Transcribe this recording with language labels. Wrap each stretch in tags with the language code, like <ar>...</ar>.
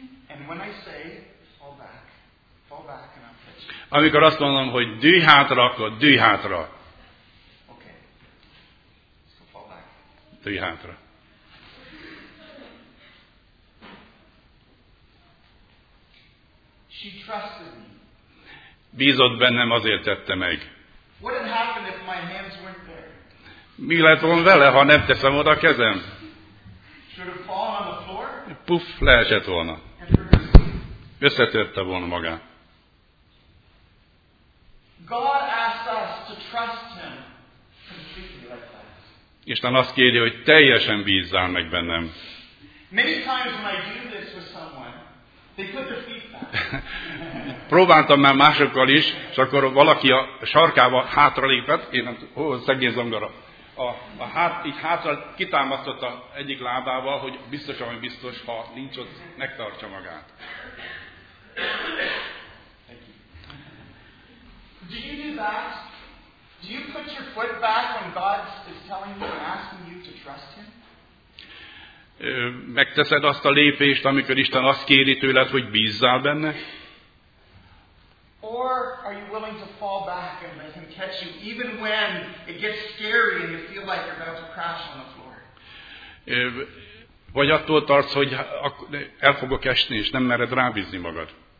<en>And when I say fall back and I'll catch you.</en> <hu>Amikor azt mondom, hogy dűj hátra, akkor dűj hátra.</hu> <en>Okay. So fall back.</en> <hu>Tőj hátra.</hu> <en>She trusted me.</en> <hu>Bízott bennem, azért tette meg.</hu> <en>What would happen if my hands weren't there?</en> <hu>Mi lett volna vele, ha nem teszem oda a kezem?</hu> <en>Should have fallen on the floor?</en> <hu>Puff, leesett volna. Összetörte volna magát.</hu> <en>God asks us to trust him completely like that.</en> <hu>Isten azt kéri, hogy teljesen bízzál meg bennem.</hu> <en>Many times when I do this with someone, they put their feet back.</en> <hu>Próbáltam már másokkal is, és akkor valaki a sarkába hátralépett, én nem tudom, hol szegény zongora. Így hátra kitámasztotta egyik lábával, hogy biztos, ami biztos, ha nincs ott, megtartsa magát.</hu> <en>Do you do that? Do you put your foot back when God is telling you and asking you to trust him?</en> <hu>Megteszed azt a lépést, amikor Isten azt kéri tőled, hogy bízzál benne?</hu> <en>Or are you willing to fall back and let him catch you even when it gets scary and you feel like you're about to crash on the floor?</en> <hu>Vagy attól tartsz, hogy el fogok esni és nem mered rábízni magad?</hu>